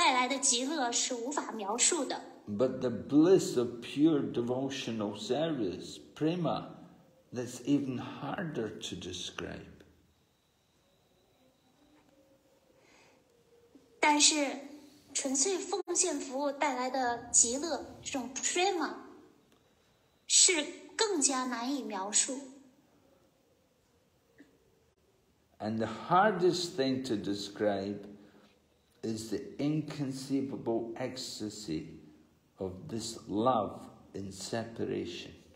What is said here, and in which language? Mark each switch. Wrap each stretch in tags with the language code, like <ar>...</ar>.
<en>But the bliss of pure devotional service, prema, that's even harder to describe.</en> <zh>但是纯粹奉献服务带来的极乐这种prema是更加难以描述。</zh> <en>And the hardest thing to describe is the inconceivable ecstasy of this love in separation.</en>